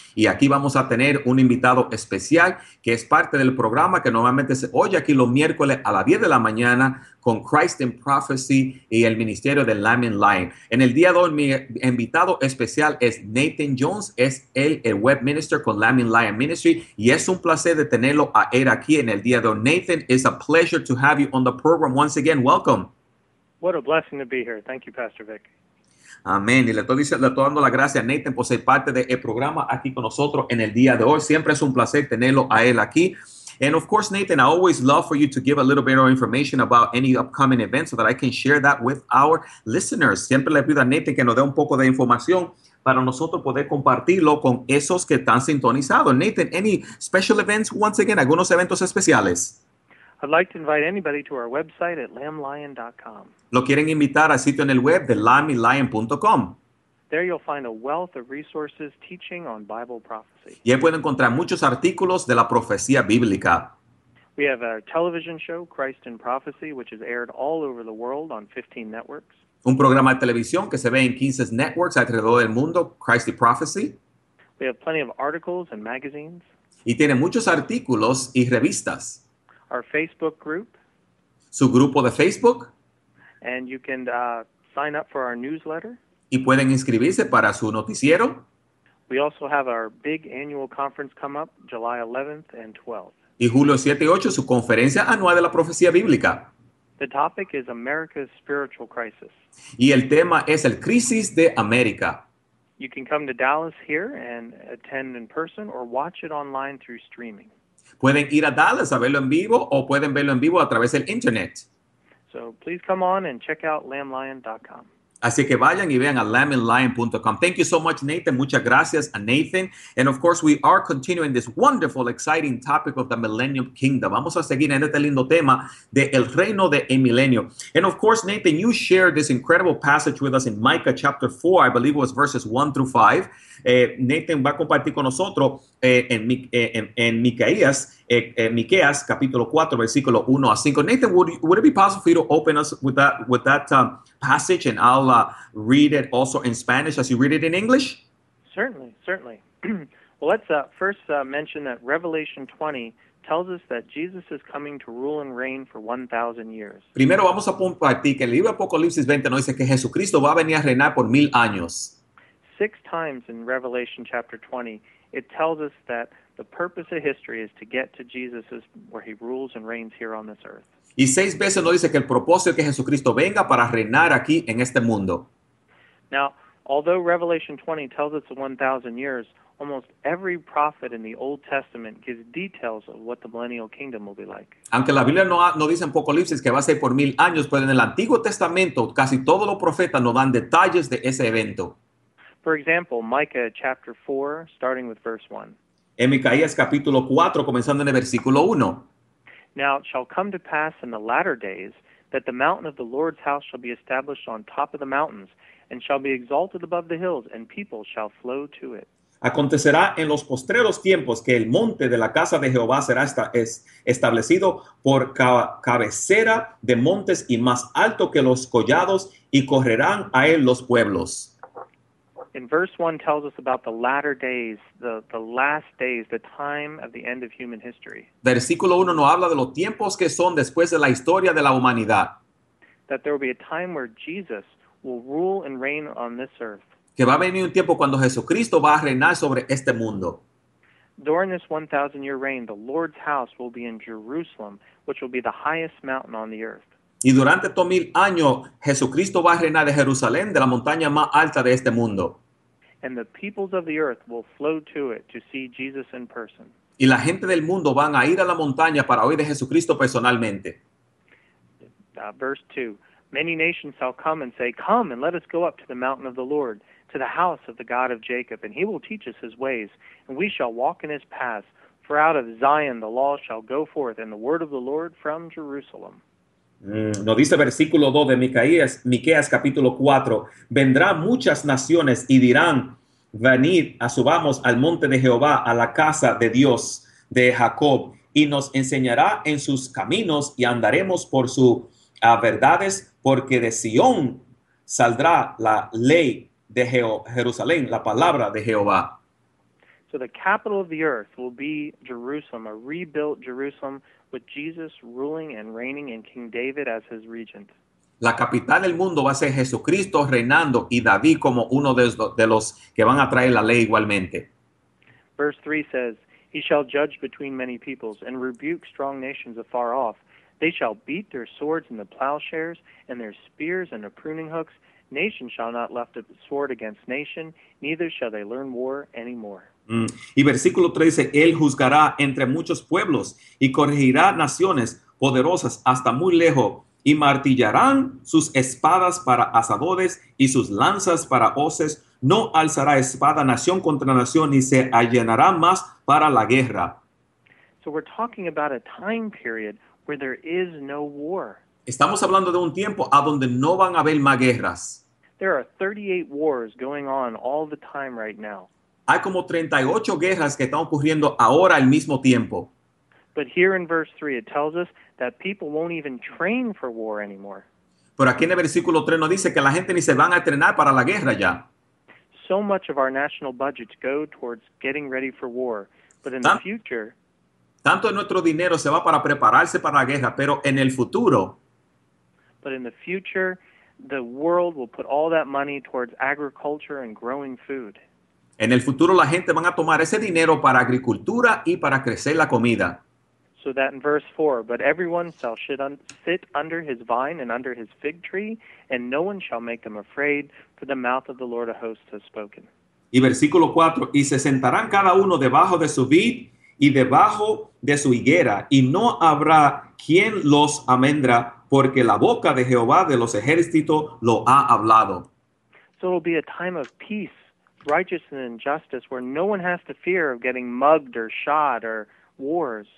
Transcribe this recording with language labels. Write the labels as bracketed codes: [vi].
[es] Y aquí vamos a tener un invitado especial que es parte del programa que normalmente se oye aquí los miércoles a las 10 de la mañana con Christ in Prophecy y el ministerio de Lamb in Lion. En el día de hoy, mi invitado especial es Nathan Jones, es el web minister con Lamb in Lion Ministry, y es un placer de tenerlo a él aquí en el día de hoy. [en] Nathan, it's a pleasure to have you on the program once again. Welcome. What a blessing to be here. Thank you, Pastor Vic. [es] Amén. Y le estoy dando las gracias a Nathan por ser parte del programa aquí con nosotros en el día de hoy. Siempre es un placer tenerlo a él aquí. [en] And of course, Nathan, I always love for you to give a little bit of information about any upcoming events so that I can share that with our listeners. [es] Siempre le pido a Nathan que nos dé un poco de información para nosotros poder compartirlo con esos que están sintonizados. [en] Nathan, any special events? Once again, [es] algunos eventos especiales. [en] I'd like to invite anybody to our website at lamblion.com. [es] Lo quieren invitar al sitio en el web de lamblion.com. [en] There you'll find a wealth of resources teaching on Bible prophecy. [es] Y ahí pueden encontrar muchos artículos de la profecía bíblica. [en] We have our television show, Christ in Prophecy, which is aired all over the world on 15 networks. [es] Un programa de televisión que se ve en 15 networks alrededor del mundo, Christ in Prophecy. [en] We have plenty of articles and magazines. [es] Y tiene muchos artículos y revistas. [en] Our Facebook group. [es] Su grupo de Facebook. [en] And you can sign up for our newsletter. [es] Y pueden inscribirse para su noticiero. [en] We also have our big annual conference come up, July 11th and 12th. [es] Y julio 7 y 8, su conferencia anual de la profecía bíblica. [en] The topic is America's spiritual crisis. [es] Y el tema es el crisis de América. [en] You can come to Dallas here and attend in person or watch it online through streaming. [es] Pueden ir a Dallas a verlo en vivo o pueden verlo en vivo a través del internet. [en] So please come on and check out lamblion.com. [es] Así que vayan y vean a lamblion.com. [en] Thank you so much, Nathan. [es] Muchas gracias a Nathan. [en] And of course, we are continuing this wonderful, exciting topic of the Millennium Kingdom. [es] Vamos a seguir en este lindo tema de el reino de el milenio. [en] And of course, Nathan, you shared this incredible passage with us in Micah chapter 4. I believe it was verses 1 through 5. [es] Nathan va a compartir con nosotros en Miqueas capítulo 4, versículo 1 a 5. [en] Nathan, would it be possible for you to open us with that passage, and I'll read it also in Spanish as you read it in English? Certainly. Well, let's first mention that Revelation 20 tells us that Jesus is coming to rule and reign for 1,000 years. [es] Primero vamos a compartir que el libro Apocalipsis 20 nos dice que Jesucristo va a venir a reinar por 1,000 años. [en] Six times in Revelation chapter 20, it tells us that the purpose of history is to get to Jesus where he rules and reigns here on this earth. [es] Y seis veces nos dice que el propósito es que Jesucristo venga para reinar aquí en este mundo. [en] Now, although Revelation 20 tells us 1,000 years, almost every prophet in the Old Testament gives details of what the millennial kingdom will be like. [es] Aunque la Biblia no dice en Apocalipsis que va a ser por mil años, pero en el Antiguo Testamento casi todos los profetas nos dan detalles de ese evento. [en] For example, Micah chapter 4, starting with verse 1. [es] En Micaías capítulo 4, comenzando en el versículo 1. [en] Now it shall come to pass in the latter days that the mountain of the Lord's house shall be established on top of the mountains and shall be exalted above the hills, and people shall flow to it. [es] Acontecerá en los postreros tiempos que el monte de la casa de Jehová será establecido por cabecera de montes y más alto que los collados, y correrán a él los pueblos. [en] In verse 1 tells us about the latter days, the last days, the time of the end of human history. [es] Versículo 1 nos habla de los tiempos que son después de la historia de la humanidad. [en] That there will be a time where Jesus will rule and reign on this earth. [es] Que va a venir un tiempo cuando Jesucristo va a reinar sobre este mundo. [en] During this 1,000-year reign, the Lord's house will be in Jerusalem, which will be the highest mountain on the earth. [es] Y durante estos mil años, Jesucristo va a reinar de Jerusalén, de la montaña más alta de este mundo. [en] And the peoples of the earth will flow to it to see Jesus in person. [es] Y la gente del mundo van a ir a la montaña para oír de Jesucristo personalmente. [en] Verse 2. Many nations shall come and say, come and let us go up to the mountain of the Lord, to the house of the God of Jacob, and he will teach us his ways, and we shall walk in his paths. For out of Zion the law shall go forth, and the word of the Lord from Jerusalem. [es] Nos dice versículo 2 de Miqueas capítulo 4, vendrán muchas naciones y dirán, venid, subamos al monte de Jehová, a la casa de Dios de Jacob, y nos enseñará en sus caminos y andaremos por sus verdades, porque de Sion saldrá la ley de Jerusalén, la palabra de Jehová. [en] So the capital of the earth will be Jerusalem, a rebuilt Jerusalem, with Jesus ruling and reigning and King David as his regent. [es] La capital del mundo va a ser Jesucristo reinando y David como uno de los que van a traer la ley igualmente. [en] Verse 3 says, he shall judge between many peoples and rebuke strong nations afar off. They shall beat their swords in the plowshares and their spears in the pruning hooks. Nation shall not lift a sword against nation, neither shall they learn war anymore. [es] Y versículo 13, él juzgará entre muchos pueblos y corregirá naciones poderosas hasta muy lejos, y martillarán sus espadas para asadores y sus lanzas para hoces. No alzará espada nación contra nación, ni se allanará más para la guerra. [en] So we're talking about a time period where there is no war. [es] Estamos hablando de un tiempo a donde no van a haber más guerras. [en] There are 38 wars going on all the time right now. [es] Hay como 38 guerras que están ocurriendo ahora al mismo tiempo. [en] But here in verse 3, it tells us that people won't even train for war anymore. [es] Pero aquí en el versículo 3 nos dice que la gente ni se van a entrenar para la guerra ya. [en] So much of our national budgets go towards getting ready for war. But in the future... [es] Tanto de nuestro dinero se va para prepararse para la guerra, pero en el futuro... [en] But in the future, the world will put all that money towards agriculture and growing food. [es] En el futuro la gente van a tomar ese dinero para agricultura y para crecer la comida. [en] So that in verse 4, but everyone shall sit under his vine and under his fig tree, and no one shall make them afraid, for the mouth of the Lord of hosts has spoken. [es] Y versículo 4, y se sentarán cada uno debajo de su vid y debajo de su higuera, y no habrá quien los amendra, porque la boca de Jehová de los ejércitos lo ha hablado. [en] So it will be a time of peace, righteousness and justice, where no one has to fear of getting mugged or shot or wars.